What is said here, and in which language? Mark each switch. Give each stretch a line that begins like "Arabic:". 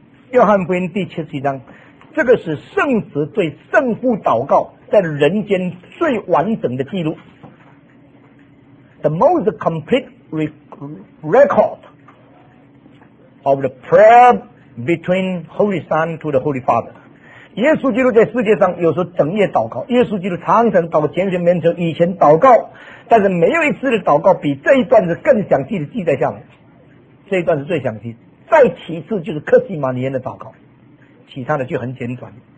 Chinese: 约翰福音第十七章，这个是圣子对圣父祷告在人间最完整的记录。
English: The most complete record of the prayer between Holy Son to the Holy Father。
Chinese: 耶稣基督在世界上有时候整夜祷告，耶稣基督常常祷告，前些面前以前祷告，但是没有一次的祷告比这一段是更详细的记载下来，这一段是最详细。再其次就是克西马尼园的祷告，其他的就很简短。